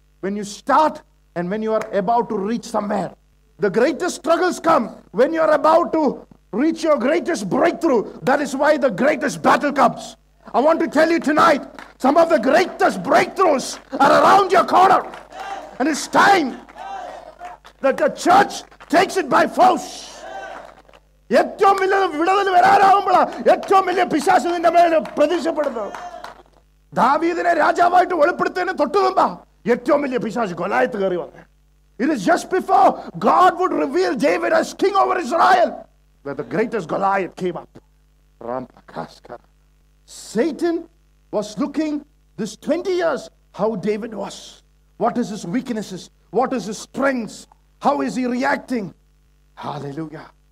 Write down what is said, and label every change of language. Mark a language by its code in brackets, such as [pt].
[en] When you start, and when you are about to reach somewhere, the greatest struggles come when you are about to reach your greatest breakthrough. That is why the greatest battle comes. I want to tell you tonight, some of the greatest breakthroughs are around your corner. And it's time that the church takes it by force. [ml] ഏറ്റവും വലിയ വിടുതൽ വരാനാകുമ്പോൾ ഏറ്റവും വലിയ പിശാച് നിന്റെ മേൽ പ്രതീക്ഷപ്പെടുന്നു. ദാവീദിനെ രാജാവായിട്ട് വെളിപ്പെടുത്തതിനെ തൊട്ടുമുമ്പാ ഏറ്റവും വലിയ പിശാച് ഗൊലായത്ത് കയറി വന്നത്. [en] It is just before God would reveal David as king over Israel, where the greatest Goliath came up. Rampakaskara. Satan was looking this 20 years how David was. What is his weaknesses? What is his strengths? How is he reacting? Hallelujah.